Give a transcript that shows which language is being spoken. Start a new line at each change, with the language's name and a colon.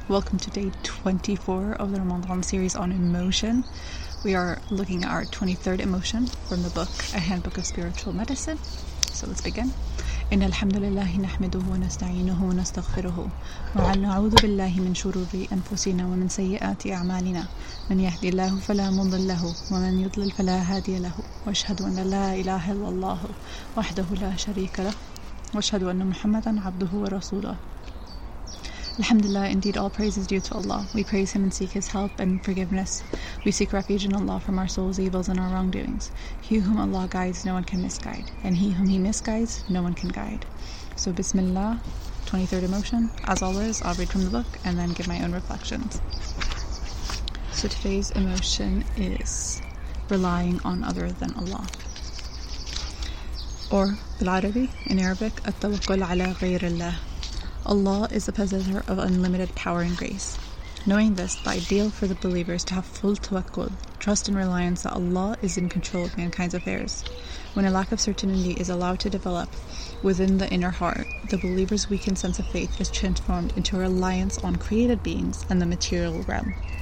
English: Welcome to day 24 of the Ramadan series on emotion. We are looking at our 23rd emotion from the book, A Handbook of Spiritual Medicine. So let's begin.
Arabic: إن الحمد لله نحمده ونستعينه ونستغفره ونعوذ بالله من شرور أنفسنا ومن سيئات أعمالنا من يهدي الله فلا مضل له ومن يضلل فلا هادي له وأشهد أن لا إله إلا الله وحده لا شريك له وأشهد أن محمدا عبده ورسوله.
English: Alhamdulillah, indeed all praise is due to Allah. We praise Him and seek His help and forgiveness. We seek refuge in Allah from our soul's evils and our wrongdoings. He whom Allah guides, no one can misguide. And he whom He misguides, no one can guide. So Bismillah, 23rd emotion. As always, I'll read from the book and then give my own reflections. So today's emotion is relying on other than Allah. Or
Arabic: بالعربي,
English: in Arabic,
Arabic: التوكل على غير الله.
English: Allah is the possessor of unlimited power and grace. Knowing this, the ideal for the believer is to have full tawakkul, trust and reliance that Allah is in control of mankind's affairs. When a lack of certainty is allowed to develop within the inner heart, the believer's weakened sense of faith is transformed into a reliance on created beings and the material realm.